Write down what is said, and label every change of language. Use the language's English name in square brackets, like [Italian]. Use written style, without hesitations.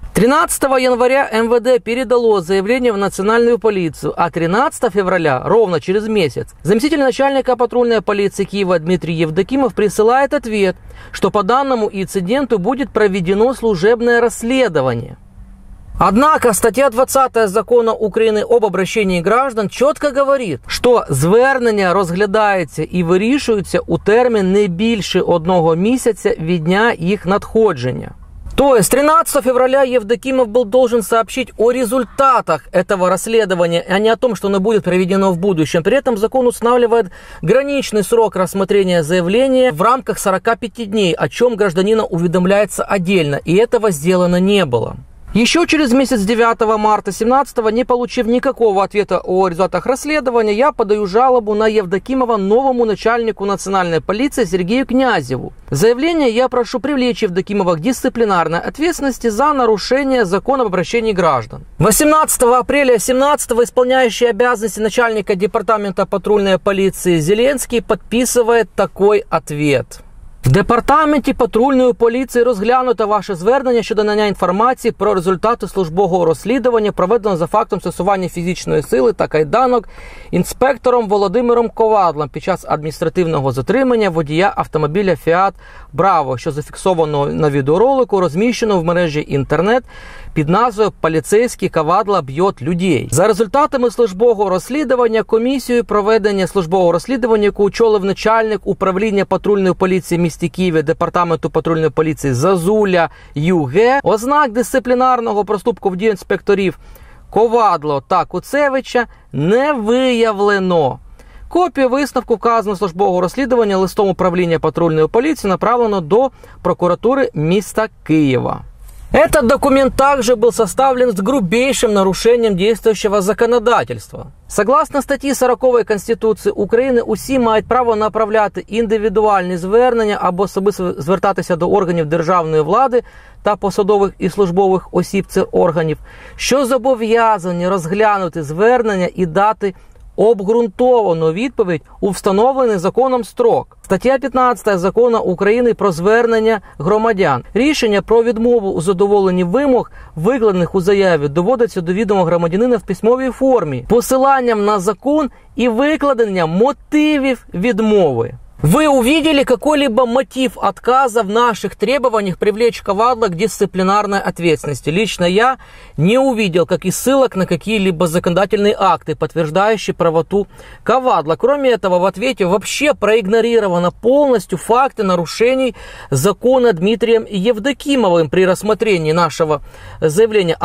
[Russian] 13 января МВД передало заявление в национальную полицию, а 13 февраля, ровно через месяц, заместитель начальника патрульной полиции Киева Дмитрий Евдокимов присылает ответ, что по данному инциденту будет проведено служебное расследование. Однако статья 20 закона Украины об обращении граждан четко говорит, что [Ukrainian] звернення розглядається і вирішується у термін не більше одного місяця від дня їх надходження. [Russian] То есть 13 февраля Евдокимов был должен сообщить о результатах этого расследования, а не о том, что оно будет проведено в будущем. При этом закон устанавливает граничный срок рассмотрения заявления в рамках 45 дней, о чем гражданина уведомляется отдельно, и этого сделано не было. Еще через месяц, 9 марта 17-го, не получив никакого ответа о результатах расследования, я подаю жалобу на Евдокимова новому начальнику национальной полиции Сергею Князеву. Заявление я прошу привлечь Евдокимова к дисциплинарной ответственности за нарушение закона об обращении граждан. 18 апреля 17-го исполняющий обязанности начальника департамента патрульной полиции Зеленский подписывает такой ответ. [Ukrainian] В департаменті патрульної поліції розглянуто ваше звернення щодо надання інформації про результати службового розслідування, проведеного за фактом стосування фізичної сили та кайданок інспектором Володимиром Ковадлом під час адміністративного затримання водія автомобіля Fiat Bravo, що зафіксовано на відеоролику, розміщеному в мережі інтернет під назвою «Поліцейський Ковадла б'єт людей». За результатами службового розслідування комісією проведення службового розслідування, яку очолив начальник управління патрульної поліції місті Києві департаменту патрульної поліції Зазуля ЮГ, ознак дисциплінарного проступку в дії інспекторів Ковадло та Куцевича не виявлено. Копію висновку вказаного службового розслідування листом управління патрульної поліції направлено до прокуратури міста Києва. [Russian] Этот документ также был составлен с грубейшим нарушением действующего законодательства. [Ukrainian] Согласно статті 40 Конституції України, усі мають право направляти індивідуальні звернення або особисто звертатися до органів державної влади та посадових і службових осіб цих органів, що зобов'язані розглянути звернення і дати обґрунтовану відповідь у встановлений законом строк. Стаття 15 закону України про звернення громадян. Рішення про відмову у задоволенні вимог, викладених у заяві, доводиться до відома громадянина в письмовій формі, посиланням на закон і викладенням мотивів відмови. [Russian] Вы увидели какой-либо мотив отказа в наших требованиях привлечь Ковадла к дисциплинарной ответственности? Лично я не увидел как и ссылок на какие-либо законодательные акты, подтверждающие правоту Ковадла. Кроме этого, в ответе вообще проигнорировано полностью факты нарушений закона Дмитрием Евдокимовым при рассмотрении нашего заявления.